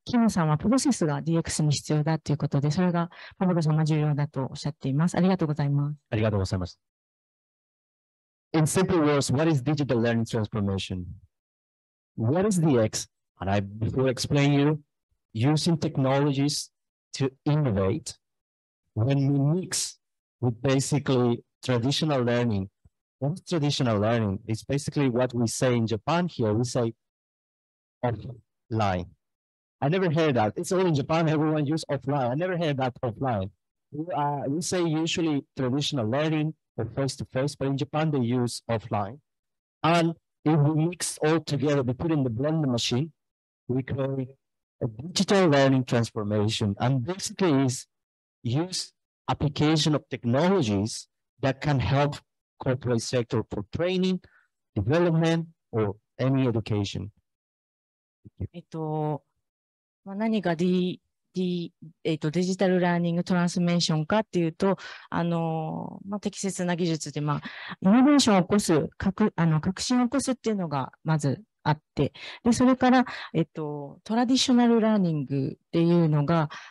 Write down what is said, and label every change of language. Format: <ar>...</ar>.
<ja>キムさんはプロセスが DX に必要だということで、それがパブロさんも重要だとおっしゃっています。ありがとうございます。ありがとうございます。</ja> <en>In simple words, what is digital learning transformation? What is DX? And I will explain you using technologies to innovate when we mix with basically traditional learning. What is traditional learning? It's basically what we say in Japan here. We sayOffline. I never heard that. It's all in Japan. Everyone use offline. I never heard that offline. We say usually traditional learning or face-to-face, but in Japan they use offline. And if we mix all together, we put in the blender machine, we create a digital learning transformation. And basically is use application of technologies that can help corporate sector for training, development, or any education.</en> <ja>何が デジタルラーニングトランスメーションかっていうと、適切な技術で、イノベーションを起こす、革新を起こすっていうのがまずあって、でそれから、トラディショナルラーニングっていうのが、</ja>